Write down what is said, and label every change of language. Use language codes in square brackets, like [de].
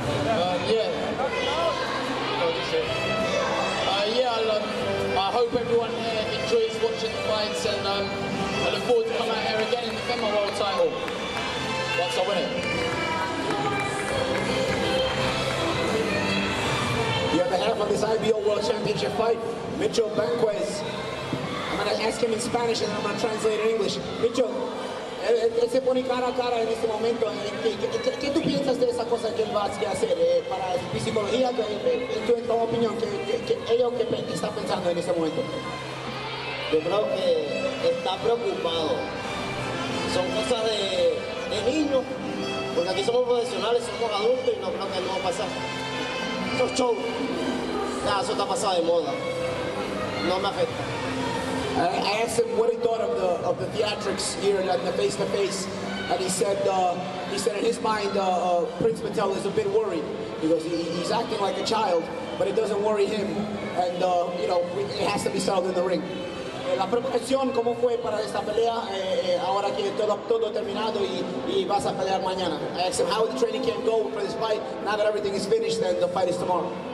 [en] I hope everyone enjoys watching the fights, and I look forward to coming out here again in the FEMA World Title once I win it. You have the half of this IBO World Championship fight, Mitchell Banquez. I'm going to ask him in Spanish and I'm going to translate in English. Mitchell. [es] Se pone cara a cara en este momento, ¿qué tú piensas de esa cosa que él va a hacer para su psicología? En tu opinión, ¿qué está pensando en este momento? Yo creo que está preocupado. Son cosas de niños, porque aquí somos profesionales, somos adultos y no creo que no va a pasar. Eso es show. Nada, eso está pasado de moda. No me afecta. [en] I asked him what he thought of the theatrics here and the face-to-face, and he said in his mind Prince Patel is a bit worried because he's acting like a child, but it doesn't worry him, and it has to be settled in the ring. [es] La preocupación cómo fue para esta pelea ahora que todo terminado y vas a pelear mañana. [en] I asked him how the training camp go for this fight now that everything is finished and the fight is tomorrow.